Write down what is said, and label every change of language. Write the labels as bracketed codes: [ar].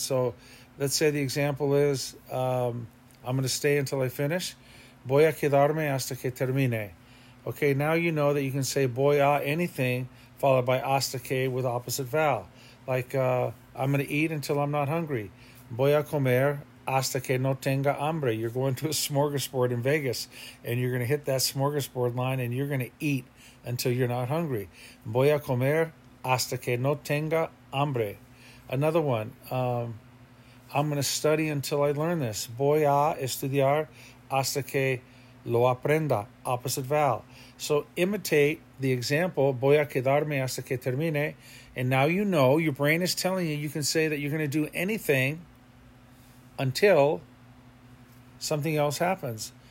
[en] So let's say the example is, I'm going to stay until I finish. [es] Voy a quedarme hasta que termine. [en] Okay, now you know that you can say voy a anything followed by hasta que with opposite vowel. Like, I'm going to eat until I'm not hungry. [es] Voy a comer hasta que no tenga hambre. [en] You're going to a smorgasbord in Vegas, and you're going to hit that smorgasbord line, and you're going to eat until you're not hungry. [es] Voy a comer hasta que no tenga hambre. [en] Another one. I'm going to study until I learn this. [es] Voy a estudiar hasta que lo aprenda. [en] Opposite vowel. So imitate the example. [es] Voy a quedarme hasta que termine. [en] And now you know, your brain is telling you, you can say that you're going to do anything until something else happens.